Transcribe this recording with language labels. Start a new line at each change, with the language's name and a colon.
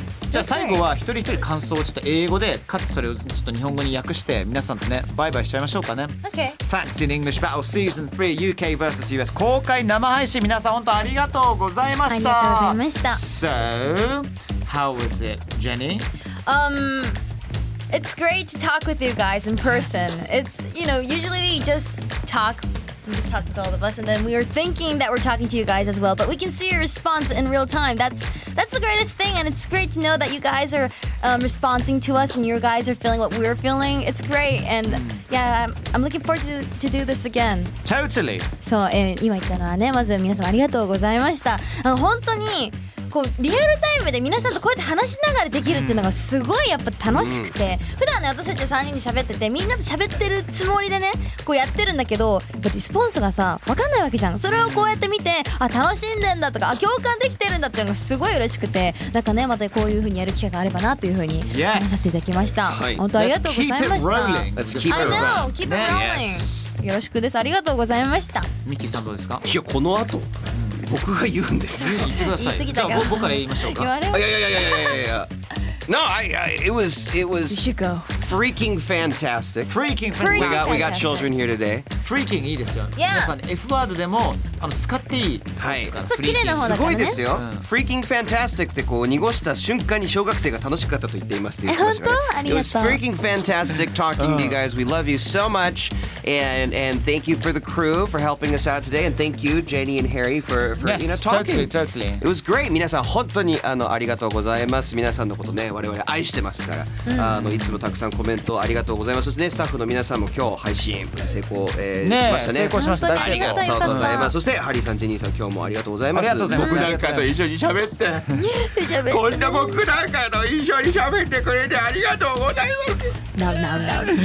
Japanese: じゃあ最後は一人一人感想をちょっと英語で、かつそれをちょっと日本語に訳して皆さんとねバイバイしちゃいましょうかね。
English: OK
Japanese: Fancy in English Battle Season 3 UK vs US 公開生配信、皆さん本当ありがとうございました。ありがとうございました。
English: So how was it, Jenny? It's great to talk with you guys in person. It's, you know, usually we just talkWe just talked with all of us, and then we were thinking that we're talking to you guys as well. But we can see your response in real time. That's the greatest thing, and it's great to know that you guys are responding to us, and you guys are feeling what we're feeling. It's great, and yeah, I'm looking forward to do this again. Totally.
Japanese: So, 今言ったのはね、まず皆さんありがとうございました。本当にこうリアルタイムで皆さんとこうやって話しながらできるっていうのがすごいやっぱ楽しくて、普段ね私たちは3人で喋ってて、みんなと喋ってるつもりでねこうやってるんだけど、やっぱリスポンスがさ分かんないわけじゃん。それをこうやって見て、あ楽しんでんだとか、あ共感できてるんだっていうのがすごい嬉しくて、なんかねまたこういう風にやる機会があればなという風に話させていただきました。
English: yes.
Japanese: 本当ありがとうございました。
English: Let's keep it rolling. I know, keep it rolling. Yes.
Japanese: よろしくです。ありがとうございました。ミッキーさんどうですか？いやこの後僕が言うんですよ。言ってください。言い過ぎたか。じゃあ僕から言いましょうか。言われる。いや。
English: No, it was you should go. Freaking fantastic. Freaking fantastic. We got children here today.
Japanese: Freaking いいですよ。
English: Yeah.
Japanese: 皆さん F ワードでも使っていいですから。はい。そう、綺麗な方だからね。すごいですよ。
English: Freaking fantastic
Japanese: ってこう濁した瞬間に小学生が楽しかったと言っていますっていう感じ。本当？ありがとう。
English: It was freaking fantastic talking to you guys. We love you so much. And thank you for the crew for helping us out today. And thank you, Janie and Harry, for yes, you know, talking. Yes, totally. It was great.
Japanese: 皆さん本当にありがとうございます。皆さんのことね。我々愛してますから、うん、いつもたくさんコメントありがとうございます。そしてね、スタッフの皆さんも今日配信成功、しましたね。成功しました。ありがとうございます。ありがとうございます。そしてハリーさん、ジェニーさん、今日もありがとうございます。ありがとうございます。僕なんかと一緒に喋ってこんな僕なんかと一緒に喋ってくれてありがとうございます。